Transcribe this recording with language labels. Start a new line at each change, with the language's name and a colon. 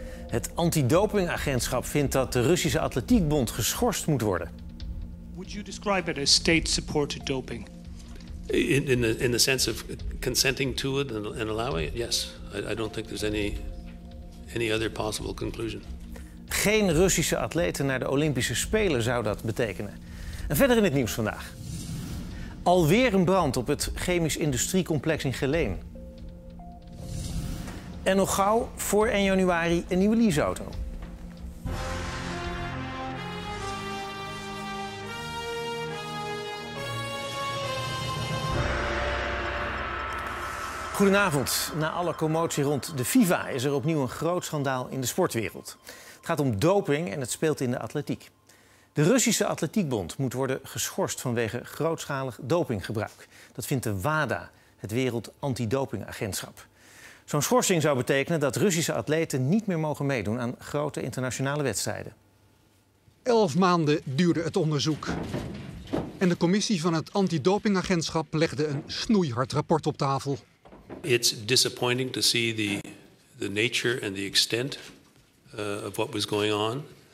Dutch: Het antidopingagentschap vindt dat de Russische Atletiekbond geschorst moet worden.
English: Would you describe it as state-supported doping? In the sense of consenting to it and allowing it, yes. I don't think there's any other possible conclusion.
Dutch: Geen Russische atleten naar de Olympische Spelen zou dat betekenen. En verder in het nieuws vandaag. Alweer een brand op het chemisch industriecomplex in Geleen. En nog gauw, voor 1 januari, een nieuwe leaseauto. Goedenavond. Na alle commotie rond de FIFA is er opnieuw een groot schandaal in de sportwereld. Het gaat om doping en het speelt in de atletiek. De Russische Atletiekbond moet worden geschorst vanwege grootschalig dopinggebruik. Dat vindt de WADA, het Wereld Antidopingagentschap. Zo'n schorsing zou betekenen dat Russische atleten niet meer mogen meedoen aan grote internationale wedstrijden. 11 maanden duurde het onderzoek. En de commissie van het Antidopingagentschap legde een snoeihard rapport op tafel.
English: It's disappointing to see the nature and the extent of what was going on.